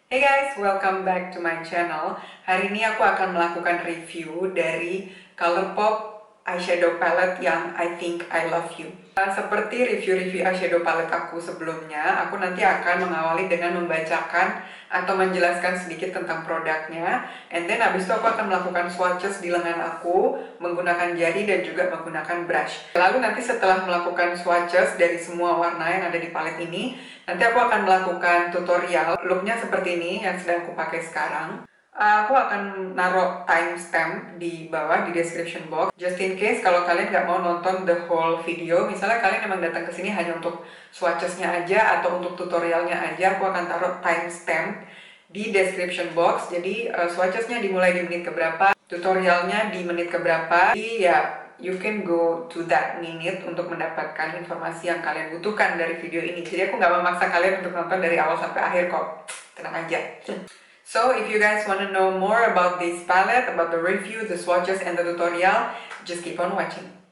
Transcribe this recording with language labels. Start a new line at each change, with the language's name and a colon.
English: Hey guys, welcome back to my channel.
Indonesian: Hari ini aku akan melakukan review dari Colourpop eyeshadow palette yang I Think I Love You. Seperti review-review eyeshadow palette aku sebelumnya, aku nanti akan mengawali dengan membacakan atau menjelaskan sedikit tentang produknya. And then abis itu aku akan melakukan swatches di lengan aku menggunakan jari dan juga menggunakan brush. Lalu nanti setelah melakukan swatches dari semua warna yang ada di palette ini, nanti aku akan melakukan tutorial looknya seperti ini yang sedang aku pakai sekarang. Aku akan naruh timestamp di bawah di description box. Just in case kalau kalian nggak mau nonton the whole video, misalnya kalian memang datang ke sini hanya untuk swatches-nya aja atau untuk tutorialnya aja, aku akan taruh timestamp di description box. Jadi swatches-nya dimulai di menit keberapa, tutorialnya di menit keberapa. Jadi ya, you can go to that minute untuk mendapatkan informasi yang kalian butuhkan dari video ini. Jadi aku nggak memaksa kalian untuk nonton dari awal sampai akhir kok. Tenang aja.
English: So, if you guys want to know more about this palette, about the review, the swatches, and the tutorial, just keep on watching.